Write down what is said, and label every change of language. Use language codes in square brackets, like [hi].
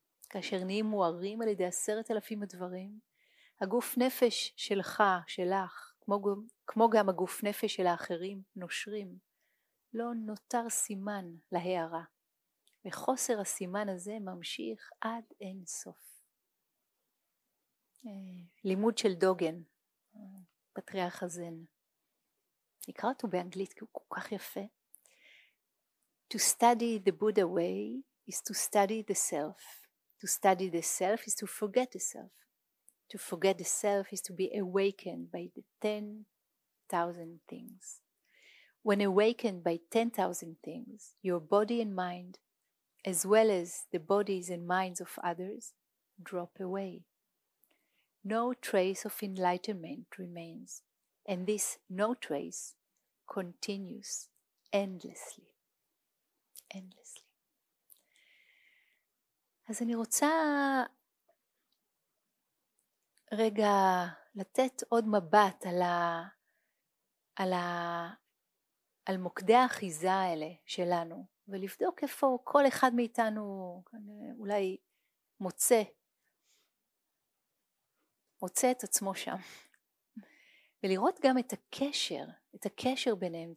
[he] כאשר נהיים מוארים על ידי 10,000 הדברים, הגוף נפש שלך, שלך, כמו גם הגוף נפש של האחרים, נושרים, לא נותר סימן להערה. וחוסר הסימן הזה ממשיך עד אין סוף. לימוד של דוגן, פטריארך הזן. נקרא אותו באנגלית כי הוא כל כך יפה. [en] To study the Buddha way is to study the self. To study the self is to forget the self. To forget the self is to be awakened by the 10,000 things. When awakened by 10,000 things, your body and mind, as well as the bodies and minds of others, drop away. No trace of enlightenment remains, and this no trace continues endlessly. Endlessly. [he] אז אני רוצה רגע לתת עוד מבט על על מוקדי האחיזה האלה שלנו, ולבדוק איפה כל אחד מאיתנו אולי מוצא את עצמו שם, ולראות גם את הקשר, ביניהם.